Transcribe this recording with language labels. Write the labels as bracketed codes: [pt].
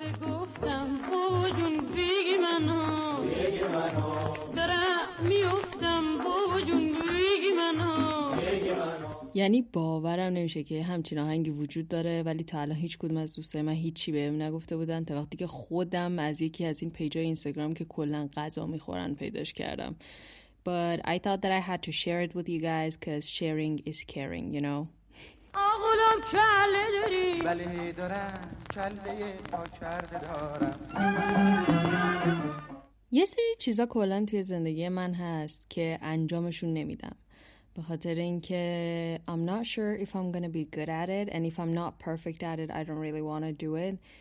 [fa] گفتم او جون بیگی منو دارم میفتم او جون بیگی منو. یعنی باورم نمیشه که همچین آهنگی وجود داره، ولی تا الان هیچ کدوم از دوستای من هیچی بهم نگفته بودن تا وقتی که خودم از یکی از این پیجای اینستاگرام که کلن غذا میخورن پیداش کردم. [en] But I thought that I had to share it with you guys because sharing is caring, you know. [fa] آقلم کله داری؟ بله دارم، کله پا کرده دارم. یه سری چیزا کلن توی زندگی من هست که انجامشون نمیدم، به خاطر اینکه [en] I'm not sure if I'm gonna be good at it, and if I'm not perfect at it, I don't really wanna do it.